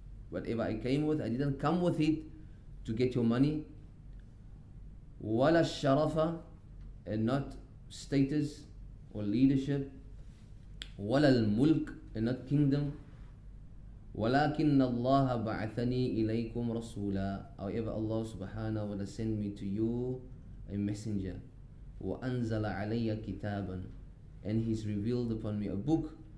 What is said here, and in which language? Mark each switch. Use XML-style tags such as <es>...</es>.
<en>Whatever I came with, I didn't come with it to get your money.</en> <ar>ولا الشرفة,</ar> <en>and not status or leadership.</en> <ar>ولا الملك,</ar> <en>and not kingdom.</en> <ar>ولكن الله بعثني إليكم رسولا.</ar> <en>However, Allah subhanahu wa ta'ala send me to you a messenger.</en> <ar>وأنزل علي كتابا,</ar> <en>and he's revealed upon me a book.</en>